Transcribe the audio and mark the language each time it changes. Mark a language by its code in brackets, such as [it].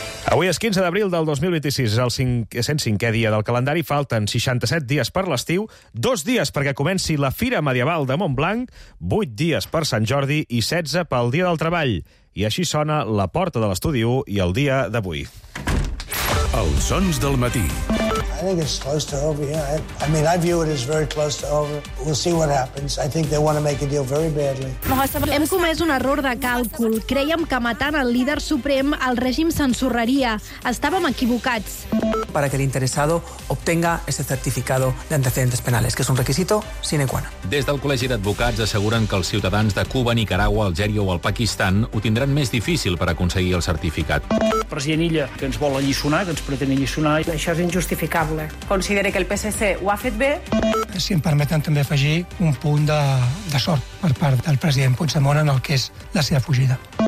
[ca] Avui és 15 d'abril del 2026, és el 505è dia del calendari. Falten 67 dies per l'estiu, 2 dies perquè comenci la Fira Medieval de Montblanc, 8 dies per Sant Jordi i 16 pel Dia del Treball. I així sona la porta de l'Estudi 1 i el dia d'avui. Els sons del matí. [en] I think it's close to over, yeah. I mean, I view it as very close to over. We'll see what happens. I think they want to make a deal very badly. [ca] Hem comès un error de càlcul. Creiem que matant el líder suprem, el règim s'ensorraria. Estàvem equivocats. [es] Para que el interesado obtenga ese certificado de antecedentes penales, que es un requisito sine qua non. [ca] Des del Col·legi d'Advocats asseguren que els ciutadans de Cuba, Nicaragua, Algèria o el Pakistan ho tindran més difícil per aconseguir el certificat. President Illa, que ens vol alliçonar, que ens pretén alliçonar. Això és injustificable. Considere que el PSC ho ha fet bé. Si em permeten també afegir un punt de sort per part del president Puigdemont en el que és la seva fugida.